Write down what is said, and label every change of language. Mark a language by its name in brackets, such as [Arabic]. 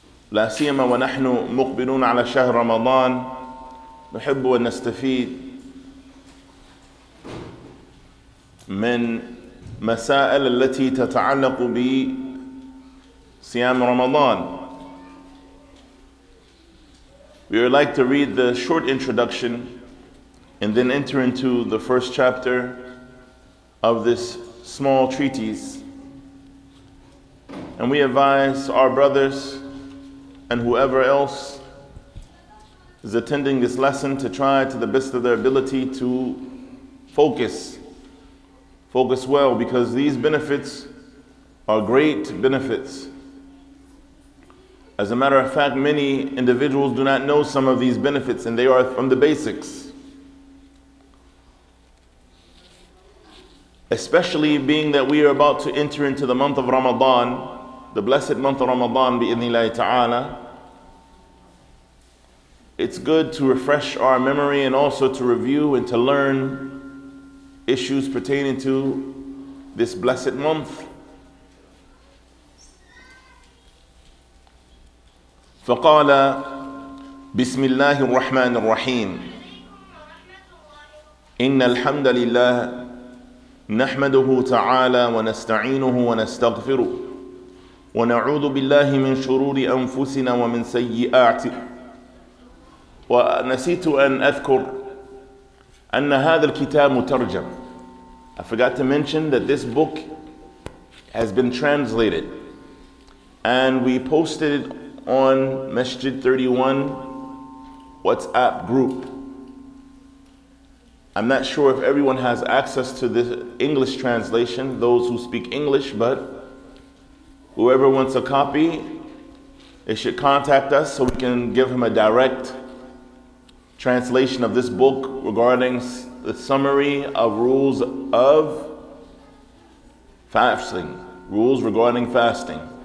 [Arabic] لا سيما ونحن مقبلون على شهر رمضان, نحب أن نستفيد من مسائل التي تتعلق بصيام رمضان. [English] We would like to read the short introduction and then enter into the first chapter of this small treatise. And we advise our brothers and whoever else is attending this lesson to try to the best of their ability to focus well, because these benefits are great benefits. As a matter of fact, many individuals do not know some of these benefits, and they are from the basics. Especially being that we are about to enter into the month of Ramadan, the blessed month of Ramadan, [Arabic] bi-idhnillahi ta'ala, [English] it's good to refresh our memory and also to review and to learn issues pertaining to this blessed month. [Arabic] فقال بسم الله الرحمن الرحيم إن الحمد لله نحمده تعالى ونستعينه ونستغفره ونعوذ بالله من شرور أنفسنا ومن سيئات. ونسيت أن أذكر أن هذا الكتاب مترجم. [English] I forgot to mention that this book has been translated, and we posted it on Masjid 31 WhatsApp group. I'm not sure if everyone has access to the English translation, those who speak English, but whoever wants a copy, they should contact us so we can give him a direct translation of this book regarding the summary of rules of fasting, rules regarding fasting.